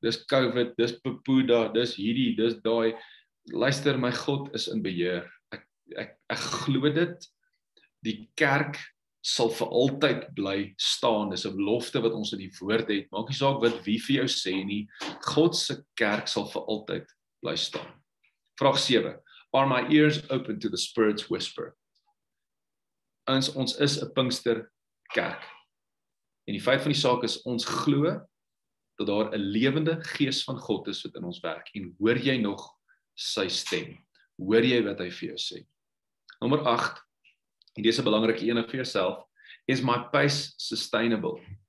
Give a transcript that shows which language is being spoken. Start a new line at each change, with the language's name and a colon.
Afrikaans: Dis COVID, dis Papuda, dis hierdie, dis daai. Luister, my God is in beheer. Ek glo dit, die kerk sal vir altyd bly staan, dis 'n belofte wat ons in die woord het, maak nie saak wat wie vir jou sê nie, God se kerk sal vir altyd bly staan.
English: Vraag 7, are my ears open to the Spirit's whisper?
Afrikaans: Ons is 'n Pinkster kerk, en die feit van die saak is, ons glo dat daar 'n lewende gees van God is wat in ons werk, en hoor jy nog sy stem? Hoor jy wat hy vir jou sê? Nommer 8, en dis 'n belangrike een vir jouself,
English: is my pace sustainable?